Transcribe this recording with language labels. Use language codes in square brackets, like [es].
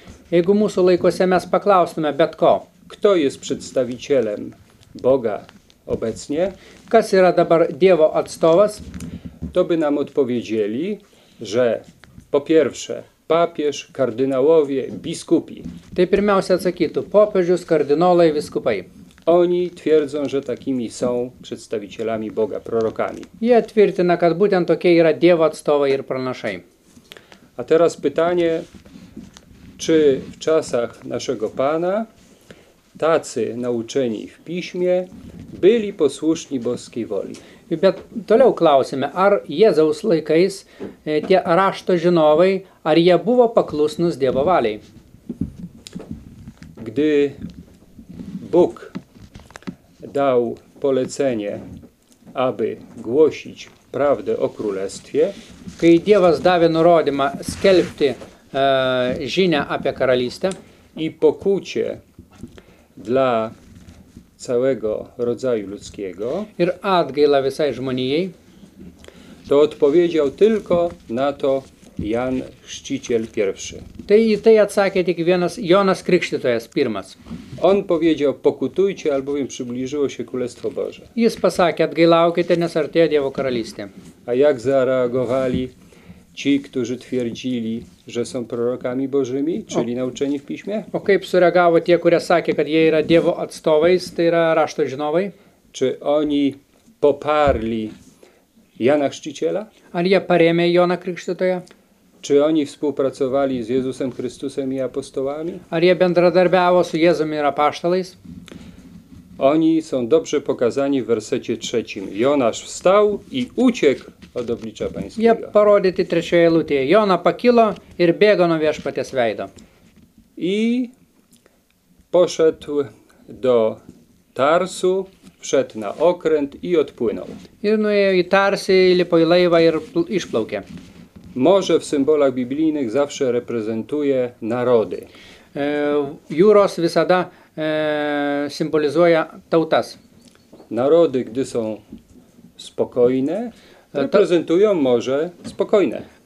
[lt] jeigu mūsų laikuose mes paklaustume bet ko, [pl] kto jest przedstawicielem Boga obecnie, [lt] kas yra dabar Dievo atstovas, [pl] to by nam odpowiedzieli, że po pierwsze papież, kardynałowie, biskupi. [lt] Tai pirmiausia atsakytų, popiežius, kardinolai, vyskupai. [pl] Oni twierdzą, że takimi są przedstawicielami Boga, prorokami. [lt] Jie tvirtina, kad būtent tokie yra Dievo atstovai ir pranašai. [pl] A teraz pytanie, czy w czasach naszego Pana tacy nauczeni w piśmie byli posłuszni boskiej woli? [lt] Bet toliau klausime, ar Jėzaus laikais tie rašto žinovai, ar jie buvo paklusnus Dievo valiai? [pl] Gdy Bóg dał polecenie, aby głosić prawdę o królestwie, [lt] kai Dievas davė nurodymą skelbti žinią apie karalystę, [pl] i pokucie dla całego rodzaju ludzkiego, [lt] ir atgaila visai žmonijai, [pl] to odpowiedział tylko na to Jan Chrzciciel pierwszy. [lt] Tai atsakė tik vienas Jonas Krikštytojas pirmas. [pl] On powiedział, pokutujcie, albowiem przybliżyło się Królestwo Boże. [lt] Jis pasakė, atgailaukite, nes artėja Dievo karalystė. [pl] A jak zareagowali ci, którzy twierdzili, że są prorokami Bożymi, czyli nauczeni w piśmie? [lt] O kaip sureagavo tie, kurie sakė, kad jie yra Dievo atstovais, tai yra rašto žinovai? [pl] Czy oni poparli Jana Chrzciciela? [lt] Ar jie parėmė Joną Krikštytoją? [pl] Czy oni współpracowali z Jezusem Chrystusem i apostołami? [lt] Ar jie bendradarbiavo su Jėzumi ir apaštalais? [pl] Oni są dobrze pokazani w wersecie trzecim. Jonasz wstał i uciekł od oblicza Pańskiego. [lt] Jie parodyti trečioje eilutėje. Jona pakilo ir bėgo nuo viešpaties veido. [pl] I poszedł do Tarsu, wszedł na okręt i odpłynął. [lt] Ir nuėjo į Tarsį, lipo į laivą ir išplaukė. [pl] Morze w symbolach biblijnych zawsze reprezentuje narody. [lt] Jūros visada symbolizuoja tautas. [pl] Narody, gdy są spokojne, reprezentują morze spokojne.